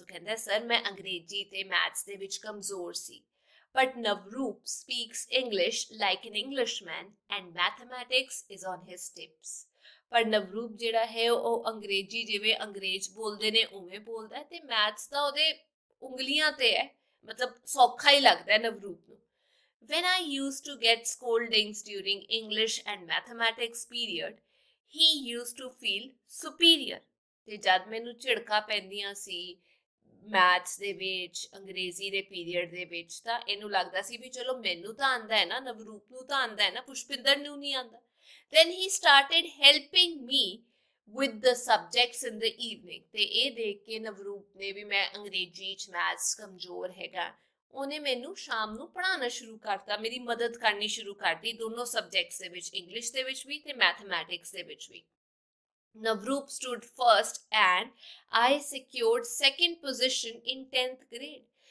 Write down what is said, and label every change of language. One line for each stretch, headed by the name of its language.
Punjabi: ਉਹ ਕਹਿੰਦਾ, ਸਰ ਮੈਂ ਅੰਗਰੇਜ਼ੀ ਤੇ ਮੈਥਸ ਦੇ ਵਿੱਚ ਕਮਜ਼ੋਰ ਸੀ,
English: But Navroop speaks English like an Englishman and mathematics is on his tips.
Punjabi: ਪਰ ਨਵਰੂਪ ਜਿਹੜਾ ਹੈ ਉਹ ਅੰਗਰੇਜ਼ੀ ਜਿਵੇਂ ਅੰਗਰੇਜ਼ ਬੋਲਦੇ ਨੇ ਉਵੇਂ ਬੋਲਦਾ, ਤੇ ਮੈਥਸ ਤਾਂ ਉਹਦੇ ਉਂਗਲੀਆਂ ਤੇ ਹੈ, ਮਤਲਬ ਸੌਖਾ ਹੀ ਲੱਗਦਾ ਨਵਰੂਪ ਨੂੰ।
English: When I used to get scoldings during English and mathematics period, he used to feel superior.
Punjabi: ਤੇ ਜਦ ਮੈਨੂੰ ਝਿੜਕਾਂ ਪੈਂਦੀਆਂ ਸੀ ਮੈਥਸ ਦੇ ਵਿੱਚ, ਅੰਗਰੇਜ਼ੀ ਦੇ ਪੀਰੀਅਡ ਦੇ ਵਿੱਚ, ਤਾਂ ਇਹਨੂੰ ਲੱਗਦਾ ਸੀ ਵੀ ਚਲੋ ਮੈਨੂੰ ਤਾਂ ਆਉਂਦਾ ਹੈ ਨਾ, ਨਵਰੂਪ ਨੂੰ ਤਾਂ ਆਉਂਦਾ ਹੈ ਨਾ, ਪੁਸ਼ਪਿੰਦਰ ਨੂੰ ਨਹੀਂ ਆਉਂਦਾ।
English: Then he started helping me with the subjects in the evening.
Punjabi: ਤੇ ਇਹ ਦੇਖ ਕੇ ਨਵਰੂਪ ਨੇ ਵੀ ਮੈਂ ਅੰਗਰੇਜ਼ੀ 'ਚ ਮੈਥਸ ਕਮਜ਼ੋਰ ਹੈਗਾ, ਉਹਨੇ ਮੈਨੂੰ ਸ਼ਾਮ ਨੂੰ ਪੜ੍ਹਾਉਣਾ ਸ਼ੁਰੂ ਕਰਤਾ, ਮੇਰੀ ਮਦਦ ਕਰਨੀ ਸ਼ੁਰੂ ਕਰਤੀ ਦੋਨੋਂ ਸਬਜੈਕਟਸ ਦੇ ਵਿੱਚ, ਇੰਗਲਿਸ਼ ਦੇ ਵਿੱਚ ਵੀ ਤੇ ਮੈਥਮੈਟਿਕਸ ਦੇ ਵਿੱਚ ਵੀ।
English: Navroop stood first and I secured second position in 10th grade.